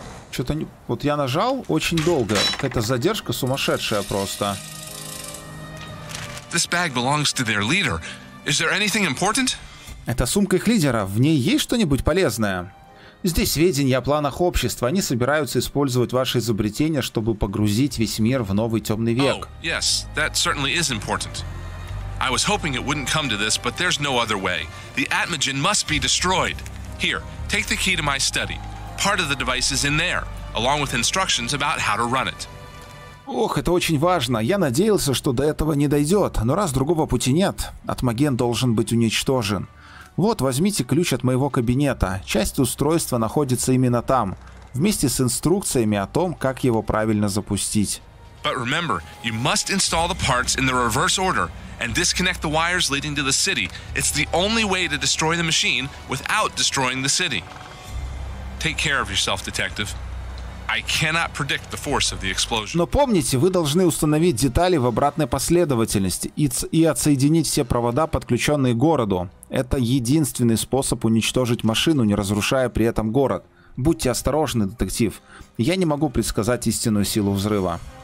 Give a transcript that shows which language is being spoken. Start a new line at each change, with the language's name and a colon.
Russian: Что-то не... Вот я нажал очень долго. Это задержка сумасшедшая просто.
English: This bag belongs to their leader. Is there anything important?
Russian: Это сумка их лидера. В ней есть что-нибудь полезное? Здесь сведения о планах общества. Они собираются использовать ваши изобретения, чтобы погрузить весь мир в новый темный век.
English: Oh, yes, that certainly is important. I was hoping it wouldn't come to this, but there's no other way. The Atmogen must be destroyed. Here, take the key to my study. Part of the device is in there, along with instructions about how to run it.
Russian: Ох, это очень важно. Я надеялся, что до этого не дойдет. Но раз другого пути нет, атмоген должен быть уничтожен. Вот, возьмите ключ от моего кабинета. Часть устройства находится именно там, вместе с инструкциями о том, как его правильно запустить.
English: But remember, you must install the parts in the reverse order and disconnect the wires leading to the city. It's the only way to destroy the machine without destroying the city. Take care of yourself, detective. I cannot predict the force of the explosion.
Russian: Но помните, вы должны установить детали в обратной последовательности и отсоединить все провода, подключенные к городу. Это единственный способ уничтожить машину, не разрушая при этом город. Будьте осторожны, детектив. Я не могу предсказать истинную силу взрыва.